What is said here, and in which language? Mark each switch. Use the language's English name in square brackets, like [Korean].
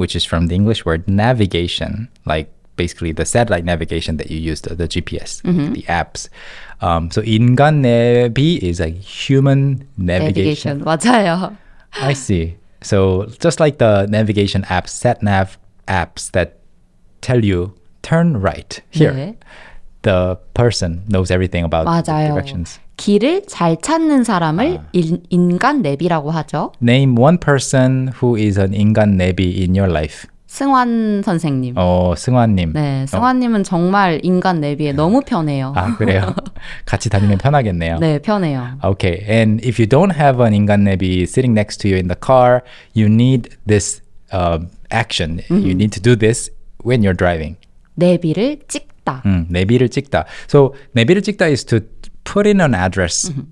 [English] Which is from the English word navigation. Like basically the satellite navigation that you use, the GPS, mm-hmm. the apps. So 인간 내비 is like human navigation. [Korean] 맞아요. [English] I see. So just like the navigation apps, sat-nav apps that tell you turn right here. [Korean] 네. The person knows everything about 맞아요. [English] The directions. [Korean] 길을 잘 찾는 사람을 인간 내비라고 하죠. [English] Name one person who is an 인간 내비 in your life. [Korean] 승환 선생님. 어, 승환님. 네, 승환님은 어. 정말 인간 내비에 너무 편해요. 아, 그래요? 같이 다니면 편하겠네요. 네, 편해요. [English] Okay, and if you don't have an 인간 내비 sitting next to you in the car, you need this action. Mm-hmm. You need to do this when you're driving. [Korean] 내비를 찍 내비를 찍다. [English] So 내비를 찍다 is to put in an address mm-hmm.